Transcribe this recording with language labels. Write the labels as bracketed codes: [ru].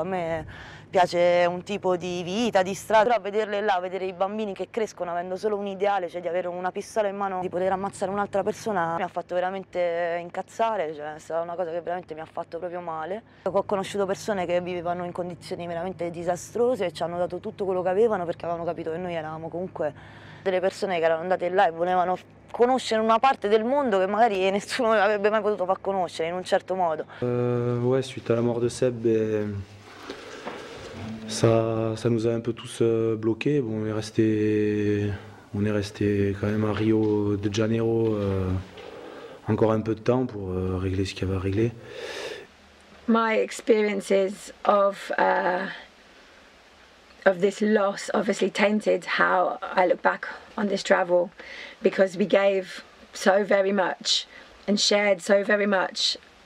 [it] A me piace un tipo di vita, di strada, però vederle là, vedere i bambini che crescono avendo solo un ideale, cioè di avere una pistola in mano, di poter ammazzare un'altra persona, mi ha fatto veramente incazzare, cioè è stata una cosa che veramente mi ha fatto proprio male. Ho conosciuto persone che vivevano in condizioni veramente disastrose e ci hanno dato tutto quello che avevano, perché avevano capito che noi eravamo comunque delle persone che erano andate là e volevano conoscere una parte del mondo che magari nessuno avrebbe mai potuto far conoscere in un certo modo. [fr] Ouais, suite [it] alla morte di Seb, [fr] ça nous a un peu tous bloqué. Bon, on est resté quand même à Rio de Janeiro encore un peu de temps pour régler ce qu'il y avait à régler. [en] My experiences of this loss obviously tainted how I look back on this travel, because we gave so very much and shared so very much